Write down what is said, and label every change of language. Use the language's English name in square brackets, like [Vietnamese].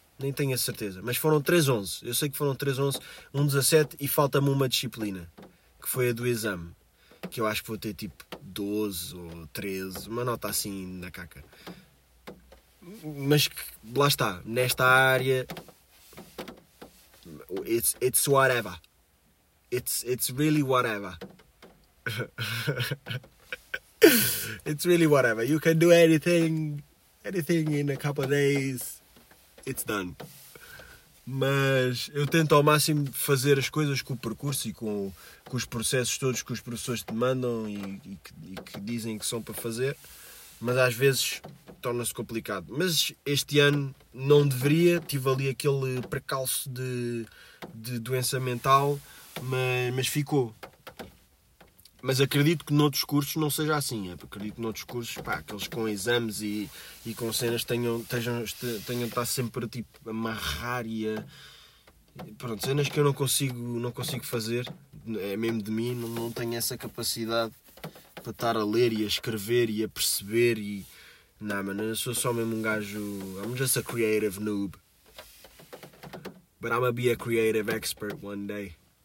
[Portuguese] Nem tenho a certeza, mas foram 3.11. Eu sei que foram 3.11, 1.17 e falta-me uma disciplina, que foi a do exame, que eu acho que vou ter tipo 12 ou 13, uma nota assim na caca. Mas lá está, nesta área, [English] it's whatever. It's really whatever. It's really whatever. You can do anything in a couple of days. It's done. [Portuguese] Mas eu tento ao máximo fazer as coisas com o percurso e com os processos todos que os professores te mandam e que dizem que são para fazer, mas às vezes torna-se complicado. Mas este ano não deveria, tive ali aquele precalço de doença mental, mas ficou. Mas acredito que noutros cursos não seja assim. Acredito que noutros cursos, pá, aqueles com exames e com cenas tenham de estar sempre tipo, a amarrar e a... Pronto, cenas que eu não consigo fazer, é mesmo de mim, não tenho essa capacidade para estar a ler e a escrever e a perceber e... Não, mano, eu sou só mesmo um gajo... [English] I'm just a creative noob. But I'ma be a creative expert one day.